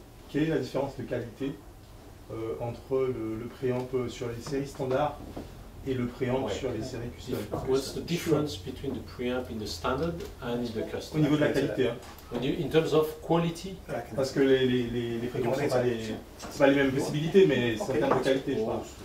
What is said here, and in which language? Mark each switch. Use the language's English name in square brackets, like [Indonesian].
[French] Quelle est la différence de qualité entre le préamp sur les séries standard et le préamp sur les séries custom? [English] What's the difference between the preamp in the standard and in the custom? [French] Au niveau de la qualité, [English] In terms of quality? [French] Parce que les fréquences ne sont pas les mêmes possibilités, mais c'est en termes de qualité, je pense.